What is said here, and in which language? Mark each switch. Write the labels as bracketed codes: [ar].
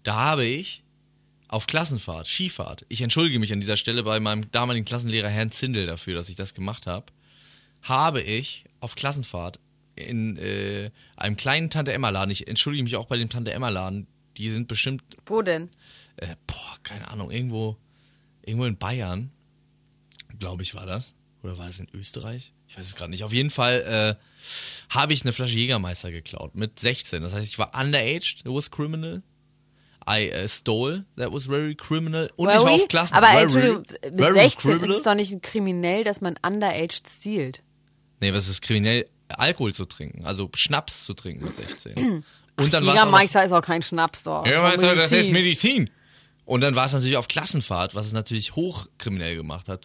[de] Da habe ich auf Klassenfahrt, Skifahrt, ich entschuldige mich an dieser Stelle bei meinem damaligen Klassenlehrer Herrn Zindel dafür, dass ich das gemacht habe, habe ich auf Klassenfahrt in einem kleinen Tante-Emma-Laden, ich entschuldige mich auch bei dem Tante-Emma-Laden, die sind bestimmt... Wo denn? Keine Ahnung, irgendwo in Bayern, glaube ich, war das. Oder war das in Österreich? Ich weiß es gerade nicht. Auf jeden Fall habe ich eine Flasche Jägermeister geklaut mit 16. Das heißt, ich war [en] underaged, it was criminal. I stole, that was very criminal. [de] Und [en] very? [de] Ich war auf Klassen. Aber [en] very, [de] Entschuldigung, mit 16 criminal. Ist es doch nicht ein kriminell, dass man underaged stealt. Nee, was ist kriminell? Alkohol zu trinken, also Schnaps zu trinken mit 16. Und dann Jägermeister ist auch kein Schnaps dort. Jägermeister, das ist Medizin. Und dann war es natürlich auf Klassenfahrt, was es natürlich hochkriminell gemacht hat.